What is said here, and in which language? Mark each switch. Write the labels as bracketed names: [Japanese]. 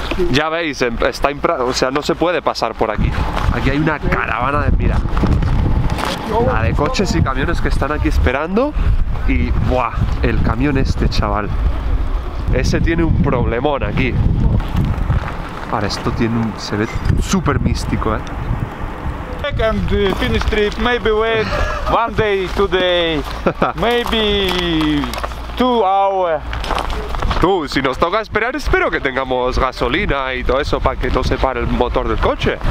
[Spanish] Ya veis, está o sea, no se puede pasar por aquí. Aquí hay una caravana de, mira, la de coches y camiones que están aquí esperando y, buah, el camión este, chaval. Ese tiene un problemón aquí. Ahora esto tiene un, se ve súper místico, ¿eh? [English] And finish trip, maybe wait one day today, maybe 2 hours. [Spanish] Tú, si nos toca esperar, espero que tengamos gasolina y todo eso para que no se pare el motor del coche.